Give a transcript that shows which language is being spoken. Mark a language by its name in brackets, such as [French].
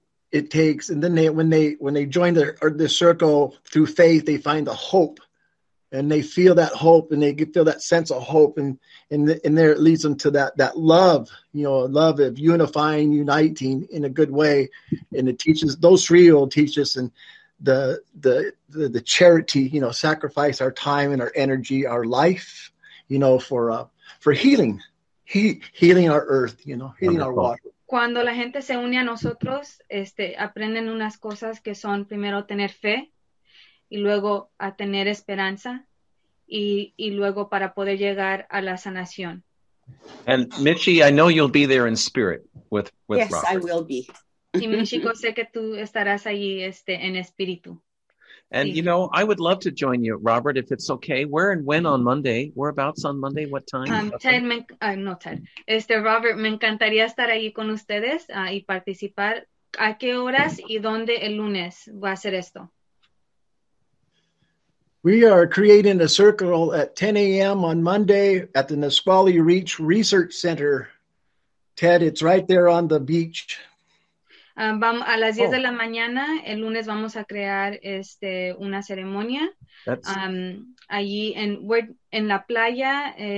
[English] It takes, and then when they join the circle through faith, they find the hope, and they feel that hope, and they feel that sense of hope, and there it leads them to that love, you know, love of unifying, uniting in a good way, and it teaches those three will teach us and the charity, you know, sacrifice our time and our energy, our life, you know, for healing, healing our earth, you know, healing our water. [Spanish] Cuando la gente se une a nosotros, aprenden unas cosas que son primero tener fe y luego a tener esperanza y luego para poder llegar a la sanación. [English] And Michi, I know you'll be there in spirit with yes, Robert. Yes, I will be. [Spanish] Y Michiko, sé que tú estarás allí en espíritu. [English] And sí. You know, I would love to join you, Robert, if it's okay. Where and when on Monday? Whereabouts on Monday? What time? Ted. [Spanish] Robert, me encantaría estar ahí con ustedes y participar. ¿A qué horas y dónde el lunes va a ser esto? [English] We are creating a circle at 10 a.m. on Monday at the Nisqually Reach Research Center. Ted, it's right there on the beach. [Spanish] Vamos a las 10 de la mañana el lunes vamos a crear una ceremonia allí en la playa.